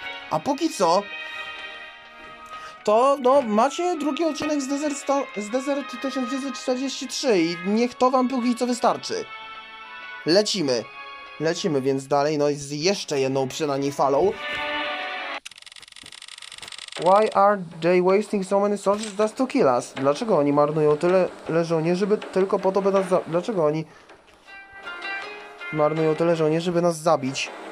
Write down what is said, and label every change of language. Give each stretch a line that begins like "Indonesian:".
Polish: A póki co, to no macie drugi odcinek z Desert 1943 i niech to wam póki co wystarczy. Lecimy więc dalej, no i z jeszcze jedną przynajmniej falą.
English: Why are they wasting so many soldiers just to kill us?
Polish: Dlaczego oni marnują tyle żołnierzy, żeby tylko po to, by nas zabić? Dlaczego oni marnują tyle żołnierzy, żeby nas zabić?